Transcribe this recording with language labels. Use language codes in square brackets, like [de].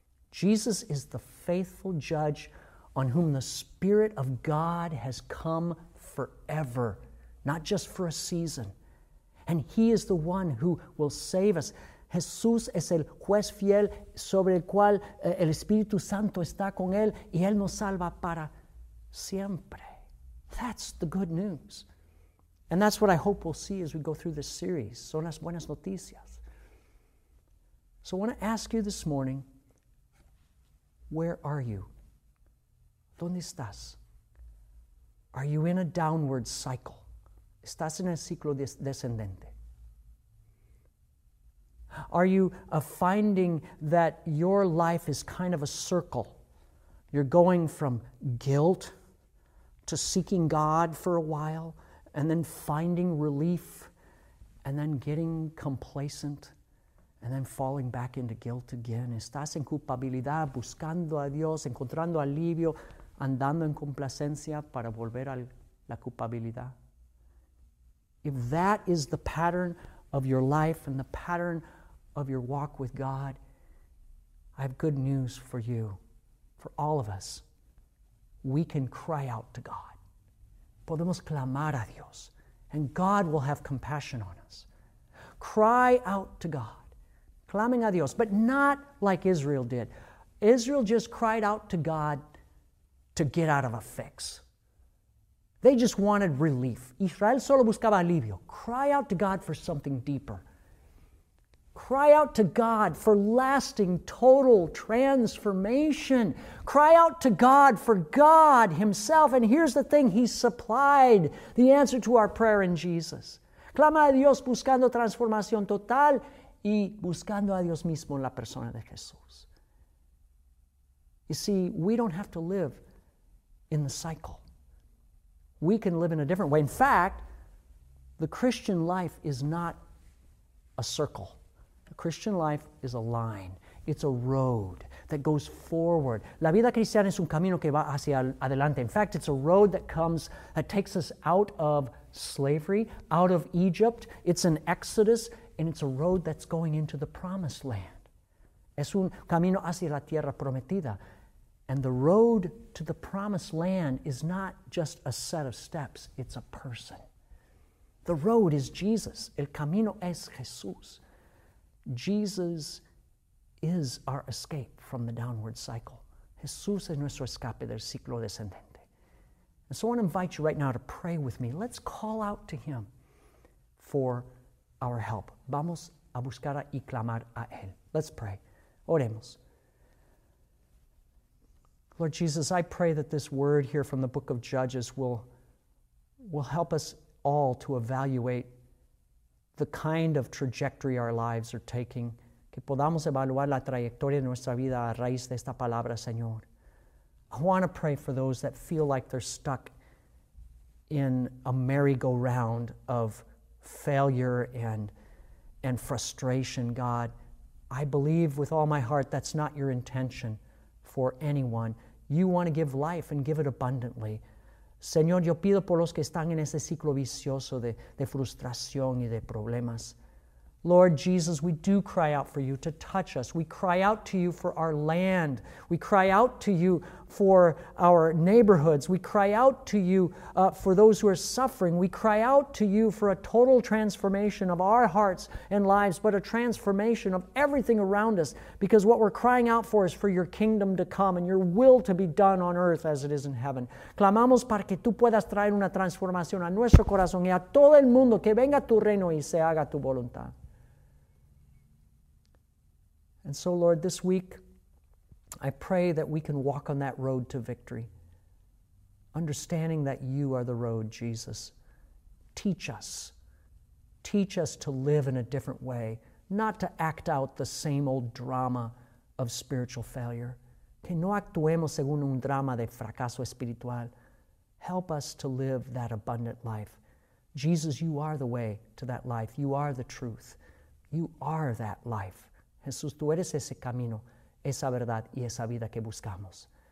[en] Jesus is the faithful judge on whom the Spirit of God has come forever, not just for a season. And he is the one who will save us. [es] Jesús es el juez fiel sobre el cual el Espíritu Santo está con él y él nos salva para siempre. [en] That's the good news. And that's what I hope we'll see as we go through this series. [es] Son las buenas noticias. [en] So I want to ask you this morning, where are you? [es] ¿Dónde estás? [en] Are you in a downward cycle? [es] ¿Estás en el ciclo descendente? [en] Are you finding that your life is kind of a circle? You're going from guilt to seeking God for a while and then finding relief and then getting complacent and then falling back into guilt again. [es] Estás en culpabilidad, buscando a Dios, encontrando alivio, andando en complacencia para volver a la culpabilidad. [en] If that is the pattern of your life and the pattern of your walk with God, I have good news for you, for all of us. We can cry out to God. [es] Podemos clamar a Dios. [en] and God will have compassion on us. Cry out to God, [es] clamando a Dios, [en] but not like Israel did. Israel just cried out to God to get out of a fix. They just wanted relief. [es] Israel solo buscaba alivio. [en] Cry out to God for something deeper. Cry out to God for lasting, total transformation. Cry out to God for God Himself. And here's the thing, He supplied the answer to our prayer in Jesus. [es] Clama a Dios buscando transformación total y buscando a Dios mismo en la persona de Jesús. [en] You see, we don't have to live in the cycle. We can live in a different way. In fact, the Christian life is not a circle. The Christian life is a line. It's a road that goes forward. [es] La vida cristiana es un camino que va hacia adelante. [en] In fact, it's a road that comes, that takes us out of slavery, out of Egypt. It's an exodus, and it's a road that's going into the promised land. [es] Es un camino hacia la tierra prometida. [en] And the road to the promised land is not just a set of steps, it's a person. The road is Jesus. [es] El camino es Jesús. [en] Jesus is our escape from the downward cycle. [es] Jesús es nuestro escape del ciclo descendente. [en] And so I want to invite you right now to pray with me. Let's call out to Him for our help. [es] Vamos a buscar y clamar a Él. [en] Let's pray. [es] Oremos. [en] Lord Jesus, I pray that this word here from the book of Judges will help us all to evaluate the kind of trajectory our lives are taking. [es] Que podamos evaluar la trayectoria de nuestra vida a raíz de esta palabra, Señor. [en] I want to pray for those that feel like they're stuck in a merry-go-round of failure and frustration, God. I believe with all my heart that's not your intention for anyone. You want to give life and give it abundantly. [es] Señor, yo pido por los que están en ese ciclo vicioso de frustración y de problemas. [en] Lord Jesus, we do cry out for you to touch us. We cry out to you for our land. We cry out to you for our neighborhoods. We cry out to you for those who are suffering. We cry out to you for a total transformation of our hearts and lives, but a transformation of everything around us, because what we're crying out for is for your kingdom to come and your will to be done on earth as it is in heaven. [es] Clamamos para que tú puedas traer una transformación a nuestro corazón y a todo el mundo, que venga tu reino y se haga tu voluntad. [en] And so, Lord, this week, I pray that we can walk on that road to victory, understanding that you are the road, Jesus. Teach us. Teach us to live in a different way, not to act out the same old drama of spiritual failure. [es] Que no actuemos según un drama de fracaso espiritual. [en] Help us to live that abundant life. Jesus, you are the way to that life. You are the truth. You are that life. [es] Jesús, tú eres ese camino, esa verdad y esa vida que buscamos.